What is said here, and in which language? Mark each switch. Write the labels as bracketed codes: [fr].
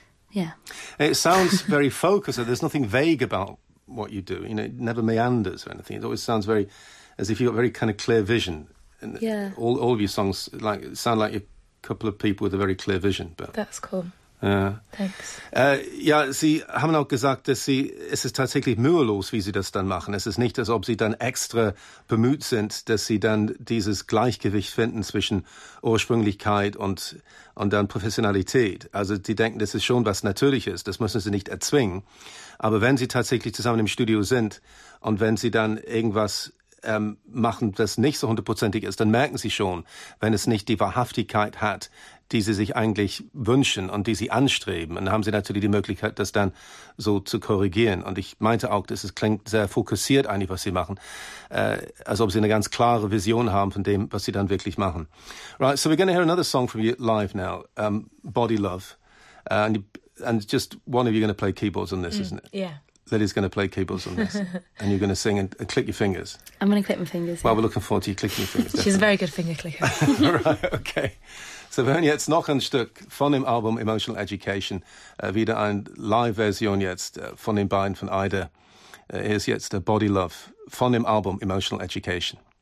[en] Yeah, it sounds very focused. There's nothing vague about what you do. You know, it never meanders or anything. It always sounds very. As if you've got very kind of clear vision, and yeah. all of your songs like sound like a couple of people with a very clear vision. But that's cool. [de] Ja, sie haben auch gesagt, dass sie es ist tatsächlich mühelos, wie sie das dann machen. Es ist nicht, als ob sie dann extra bemüht sind, dass sie dann dieses Gleichgewicht finden zwischen Ursprünglichkeit und dann Professionalität. Also sie denken, das ist schon was Natürliches, das müssen sie nicht erzwingen. Aber wenn sie tatsächlich zusammen im Studio sind und wenn sie dann irgendwas machen, das nicht so hundertprozentig ist, dann merken sie schon, wenn es nicht die Wahrhaftigkeit hat, die sie sich eigentlich wünschen und die sie anstreben. Und dann haben sie natürlich die Möglichkeit, das dann so zu korrigieren. Und ich meinte auch, dass es klingt sehr fokussiert eigentlich, was sie machen. Als ob sie eine ganz klare Vision haben von dem, was sie dann wirklich machen. [en] Right, so we're going to hear another song from you live now. Body Love. And just one of you going to play keyboards on this, isn't it? Yeah. Lily's going to play keyboards on this, and you're going to sing and click your fingers. I'm going to click my fingers. Well, yeah. We're looking forward to you clicking your fingers. She's a very good finger clicker. Right, okay. [de] So wir hören jetzt noch ein Stück von dem Album Emotional Education, wieder eine Live-Version jetzt von den beiden von Ida. Hier ist jetzt der Body Love von dem Album Emotional Education.